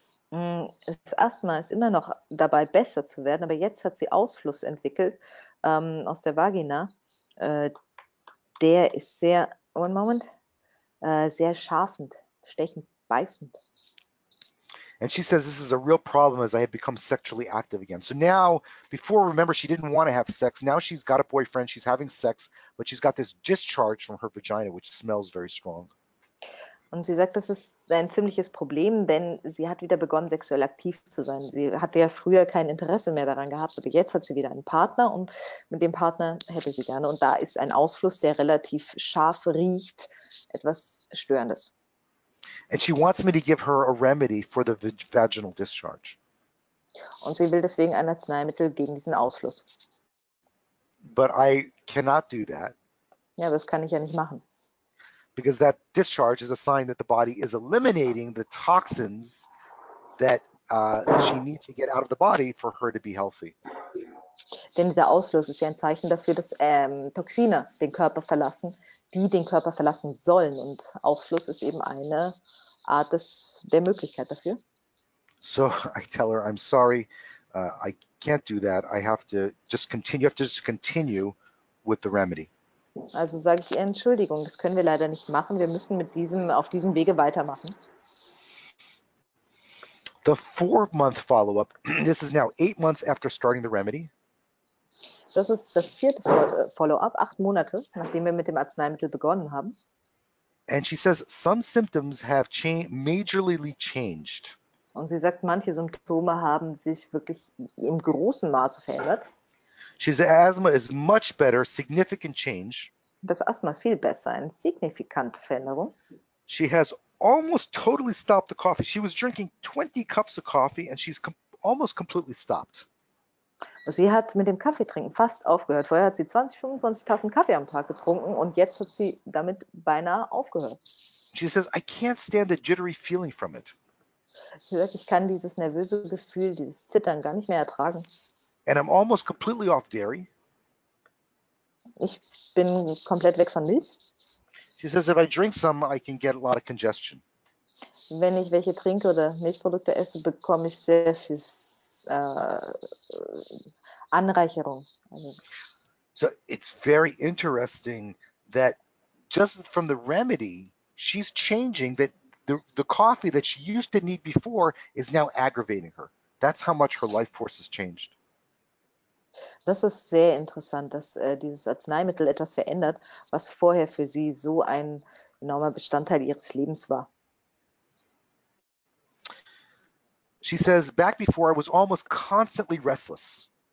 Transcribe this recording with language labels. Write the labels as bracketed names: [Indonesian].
[German] Das Asthma ist immer noch dabei, besser zu werden, aber jetzt hat sie Ausfluss entwickelt aus der Vagina. Der ist sehr, [English] one moment. [German] Sehr scharfend, stechend, beißend. [English] And she says this is a real problem as I have become sexually active again. So now, before, remember, she didn't want to have sex. Now she's got a boyfriend, she's having sex, but she's got this discharge from her vagina, which smells very strong. [German] Und sie sagt, das ist ein ziemliches Problem, denn sie hat wieder begonnen, sexuell aktiv zu sein. Sie hatte ja früher kein Interesse mehr daran gehabt, aber jetzt hat sie wieder einen Partner und mit dem Partner hätte sie gerne. Und da ist ein Ausfluss, der relativ scharf riecht, etwas Störendes. [English] And she wants me to give her a remedy for the vaginal discharge. [German] Und sie will deswegen ein Arzneimittel gegen diesen Ausfluss. [English] But I cannot do that. [German] Ja, das kann ich ja nicht machen. [English] Because that discharge is a sign that the body is eliminating the toxins that she needs to get out of the body for her to be healthy. [German] Denn dieser Ausfluss ist ja ein Zeichen dafür, dass Toxine den Körper verlassen, die den Körper verlassen sollen. Und Ausfluss ist eben eine Art der Möglichkeit dafür. [English] So I tell her, I'm sorry, I can't do that. I have to just continue. You have to just continue with the remedy. [German] Also sage ich ihr Entschuldigung, das können wir leider nicht machen. Wir müssen mit diesem auf diesem Wege weitermachen. [English] The 4-month follow-up. This is now 8 months after starting the remedy. [German] Das ist das vierte Follow-up, 8 Monate, nachdem wir mit dem Arzneimittel begonnen haben. [English] And she says some symptoms have majorly changed. [German] Und sie sagt, manche Symptome haben sich wirklich im großen Maße verändert. [English] She says asthma is much better, significant change. [German] Das Asthma ist viel besser, eine signifikante Veränderung. [English] She has almost totally stopped the coffee. She was drinking 20 cups of coffee and she's almost completely stopped. [German] Sie hat mit dem Kaffeetrinken fast aufgehört. Vorher hat sie 20, 25 Tassen Kaffee am Tag getrunken und jetzt hat sie damit beinahe aufgehört. [English] She says, I can't stand the jittery feeling from it. [German] Sie sagt, ich kann dieses nervöse Gefühl, dieses Zittern gar nicht mehr ertragen. [English] And I'm almost completely off dairy. [German] Ich bin komplett weg von Milch. [English] She says, if I drink some, I can get a lot of congestion. [German] Wenn ich welche trinke oder Milchprodukte esse, bekomme ich sehr viel Anreicherung. [English] So it's very interesting that just from the remedy, she's changing that the coffee that she used to need before is now aggravating her. That's how much her life force has changed. [German] Das ist sehr interessant, dass dieses Arzneimittel etwas verändert, was vorher für sie so ein enormer Bestandteil ihres Lebens war. [English] She says, back before I was almost constantly restless.